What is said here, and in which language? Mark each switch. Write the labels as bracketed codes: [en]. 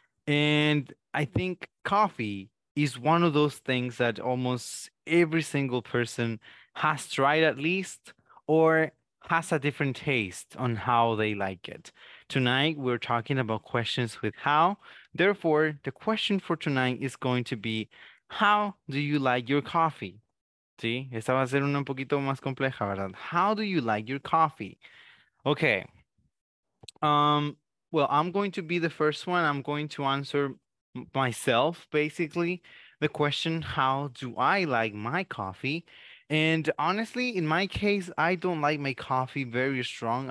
[en] And I think coffee is one of those things that almost every single person has tried at least, or has a different taste on how they like it. Tonight, we're talking about questions with how. Therefore, the question for tonight is going to be, how do you like your coffee? [es] Sí, esta va a ser una un poquito más compleja, ¿verdad? [en] How do you like your coffee? Okay. Well, I'm going to be the first one. I'm going to answer myself, basically, the question, how do I like my coffee? And honestly, in my case, I don't like my coffee very strong.